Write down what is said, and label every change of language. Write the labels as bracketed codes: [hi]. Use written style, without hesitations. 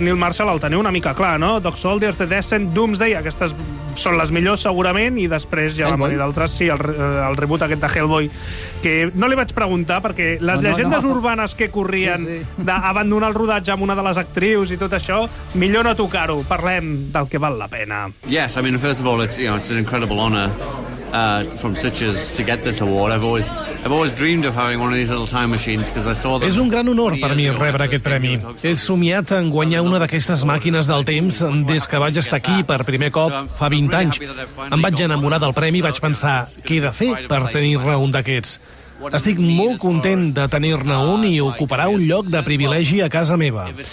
[ca] Neil Marshall el teniu una mica clar, no? Dog Soldiers, The Descent, Doomsday, aquestes són les millors, segurament, i després ja van venir d'altres. Sí, el reboot aquest de Hellboy, que no li vaig preguntar, perquè les llegendes urbanes que corrien d'abandonar el rodatge amb una de les actrius i tot això, millor no tocar-ho. Parlem del que val la pena. [en] Yes, I mean, first of all, it's, you know, it's an incredible honor. From Sitges to get this award. I've always dreamed of having one of these little time machines because I saw them. [ca] És un gran honor per mi rebre aquest premi. He somiat en guanyar una d'aquestes màquines del temps des que vaig estar aquí per primer cop fa 20 anys. Em vaig enamorar del premi i vaig pensar, què he de fer per tenir-ne un d'aquests? Estic molt content de tenir-ne un i ocuparà un lloc de privilegi a casa meva.